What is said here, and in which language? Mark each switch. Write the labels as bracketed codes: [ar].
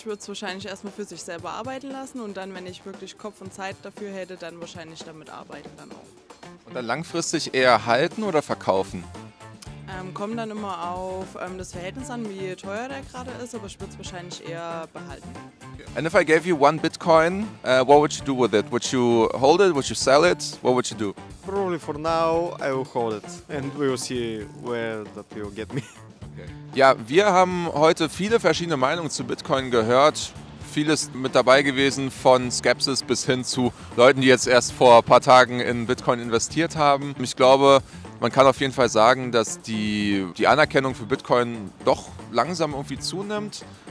[de] Ich würde es wahrscheinlich erstmal für sich selber arbeiten lassen und dann, wenn ich wirklich Kopf und Zeit dafür hätte, dann wahrscheinlich damit arbeiten dann auch. Und dann langfristig eher halten oder verkaufen? Kommt dann immer auf das Verhältnis an, wie teuer der gerade ist, aber ich würde es wahrscheinlich eher behalten. Okay. [en] And if I gave you one Bitcoin, what would you do with it? Would you hold it? Would you sell it? What would you do? Probably for now I will hold it and we will see where that will get me. Okay. [de] Ja, wir haben heute viele verschiedene Meinungen zu Bitcoin gehört. Vieles mit dabei gewesen, von Skepsis bis hin zu Leuten, die jetzt erst vor ein paar Tagen in Bitcoin investiert haben. Ich glaube, man kann auf jeden Fall sagen, dass die Anerkennung für Bitcoin doch langsam irgendwie zunimmt.